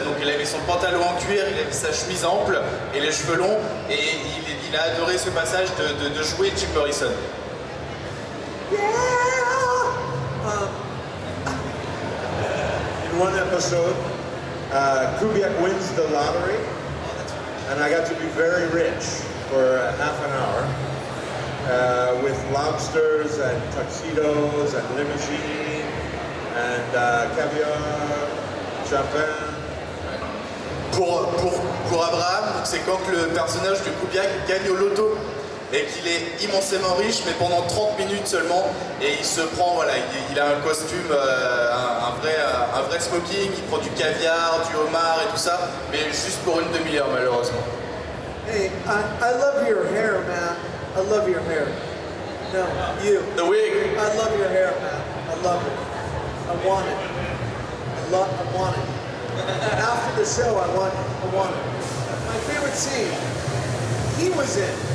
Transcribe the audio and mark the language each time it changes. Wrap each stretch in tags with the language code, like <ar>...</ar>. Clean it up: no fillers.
<fr>Donc il avait son pantalon en cuir, il avait sa chemise ample et les cheveux longs, et il a adoré ce passage de jouer Jim Morrison.</fr> <en>In one episode, Kubiak wins the lottery, and I got to be very rich for half an hour with lobsters and tuxedos and limousine and caviar, champagne.</en> <fr>Pour Abraham, c'est quand le personnage de Kubiak gagne au loto et qu'il est immensément riche, mais pendant 30 minutes seulement, et il se prend, voilà, il a un costume, un vrai smoking, il prend du caviar, du homard et tout ça, mais juste pour une demi-heure, malheureusement.</fr> <en>Hey, I love your hair, man. I love your hair. No, you. The wig. I love your hair, man. I love it. I want it. I want it. And after the show, I want it. My favorite scene, he was in.</en>